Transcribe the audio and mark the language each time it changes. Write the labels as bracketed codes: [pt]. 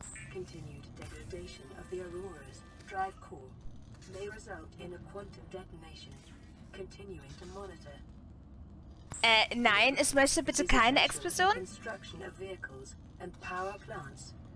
[en] Continued degradation of the Aurora's drive core may result in a quantum detonation. Continuing to monitor. [de] Nein, ich möchte bitte keine Explosion. [en] Construction of vehicles and power plants.